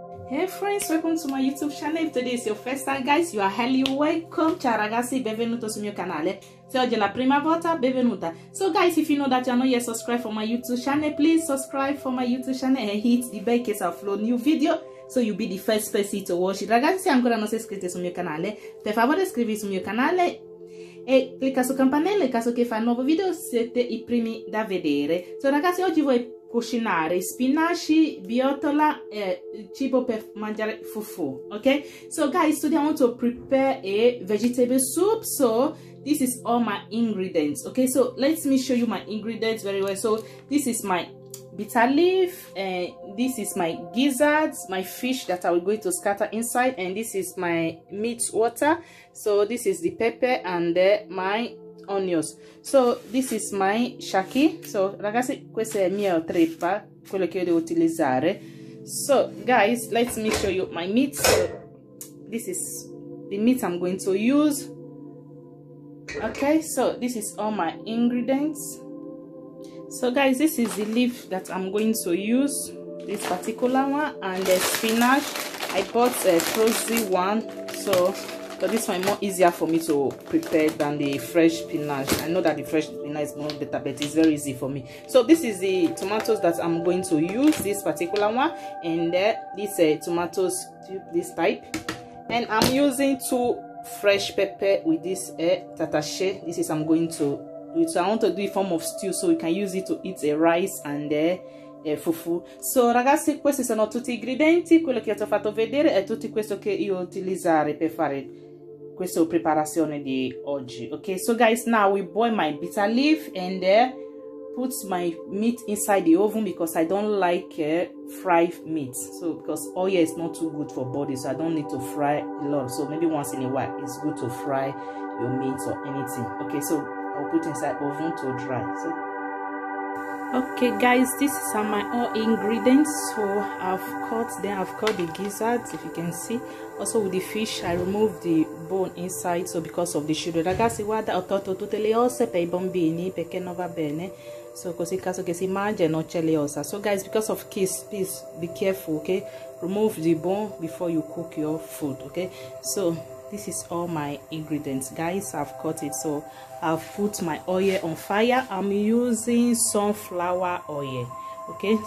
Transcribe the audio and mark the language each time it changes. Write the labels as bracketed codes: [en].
[en] Hey friends, welcome to my YouTube channel. If today is your first time, guys, you are highly welcome. [it] Ciao ragazzi, benvenuto sul mio canale. Se oggi è la prima volta, benvenuta. [en] So guys, if you know that you are not yet subscribed for my YouTube channel, please subscribe for my YouTube channel and hit the bell in case I upload new video, so you'll be the first person to watch it. Ragazzi, se ancora non sei iscritto sul mio canale, per favore iscriviti sul mio canale e clicca sul campanello in caso che fa un nuovo video, siete i primi da vedere. [it] So ragazzi, oggi voi cucinare spinaci, biotola e cibo per mangiare fufu, ok? [en] So guys, today I want to prepare a vegetable soup. So this is all my ingredients, okay? So let me show you my ingredients very well. So this is my bitter leaf, and this is my gizzards, my fish that I will going to scatter inside, and this is my meat water. So this is the pepper and my onions. So this is my shaki. [it] So ragazzi, questa è mia treppa, quello che io devo utilizzare. [en] So guys, let me show you my meat. So this is the meat I'm going to use, okay? So this is all my ingredients. So guys, this is the leaf that I'm going to use, this particular one, and the spinach. I bought a frozen one, so but this one is more easier for me to prepare than the fresh spinach. I know that the fresh spinach is more better, but it's very easy for me. So this is the tomatoes that I'm going to use, this particular one, and this tomatoes, this type. And I'm using two fresh pepper with this tatashe. This is I'm going to do it. So I want to do a form of stew, so we can use it to eat a rice and fufu. [it] So ragazzi, questi sono tutti gli ingredienti, quello che ti ho fatto vedere è tutto questo che io utilizzare per fare questa preparazione di oggi, ok? [en] So guys, now we boil my bitter leaf and put my meat inside the oven, because I don't like fried meat. So because oil is not too good for body, so I don't need to fry a lot. So maybe once in a while it's good to fry your meat or anything, okay? So I'll put inside oven to dry. So okay guys, this is my all ingredients. So I've cut the gizzards, if you can see. Also with the fish, I removed the bone inside, so because of the sugar. [it] Ragazzi, guarda, ho tolto tutte le ossa per i bambini, perché non va bene. So così caso che si mangia non c'è le ossa. [en] So guys, because of kids, please be careful, okay? Remove the bone before you cook your food, okay? So this is all my ingredients, guys. I've cut it, so I've put my oil on fire. I'm using sunflower oil, okay?